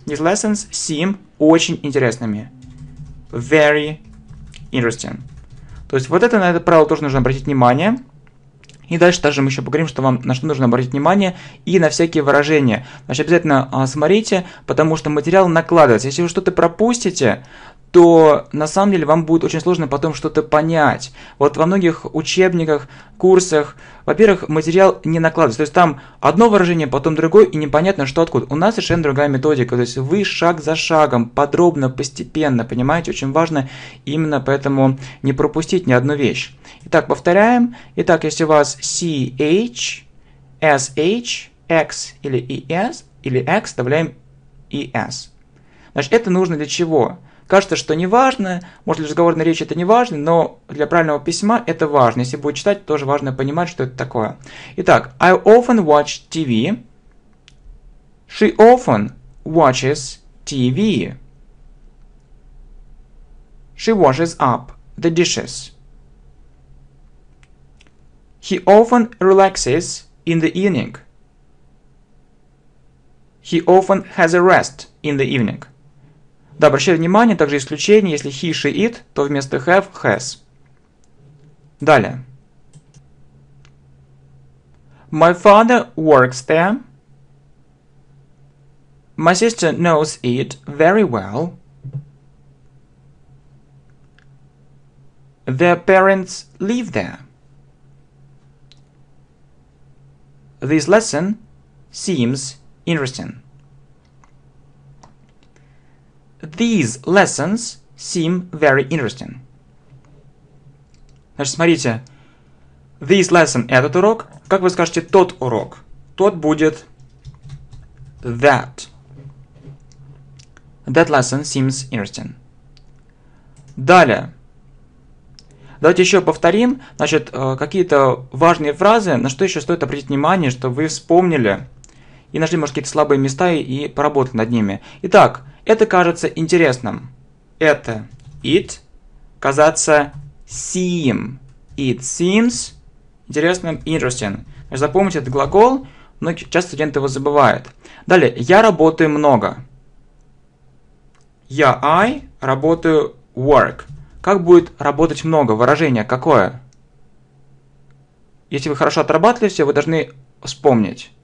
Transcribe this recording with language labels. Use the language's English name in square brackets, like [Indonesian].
[English] These lessons seem [Russian] очень интересными. [English] Very interesting. [Russian] То есть, вот это на это правило тоже нужно обратить внимание. И дальше также мы еще поговорим, что вам на что нужно обратить внимание и на всякие выражения. Значит, обязательно смотрите, потому что материал накладывается. Если вы что-то пропустите, то на самом деле вам будет очень сложно потом что-то понять. Вот во многих учебниках, курсах, во-первых, материал не накладывается. То есть там одно выражение, потом другое, и непонятно, что откуда. У нас совершенно другая методика. То есть вы шаг за шагом, подробно, постепенно, понимаете, очень важно именно поэтому не пропустить ни одну вещь. Итак, повторяем. Итак, если у вас CH, SH, X или ES, или X, добавляем ES. Значит, это нужно для чего? Кажется, что не важно, может, для разговорной речи это не важно, но для правильного письма это важно. Если будет читать, тоже важно понимать, что это такое. [English] Итак, I often watch TV. She often watches TV. She washes up the dishes. He often relaxes in the evening. He often has a rest in the evening. [Russian] Да, обращаю внимание, также исключение, если he, she, it, то вместо have, has. Далее. [English] My father works there. My sister knows it very well. Their parents live there. This lesson seems interesting. These lessons seem very interesting. [Russian] Значит, смотрите. [English] This lesson, [Russian] этот урок. Как вы скажете тот урок? Тот будет that. [English] That lesson seems interesting. [Russian] Далее. Давайте еще повторим. Значит, какие-то важные фразы, на что еще стоит обратить внимание, чтобы вы вспомнили и нашли, может, какие-то слабые места и поработали над ними. Итак, это кажется интересным. Это it. Казаться seem. [English] It seems интересным, interesting. [Russian] Запомните этот глагол, но часто студенты его забывают. Далее. Я работаю много. Я, I, работаю work. Как будет работать много? Выражение какое? Если вы хорошо отрабатывали все, вы должны вспомнить.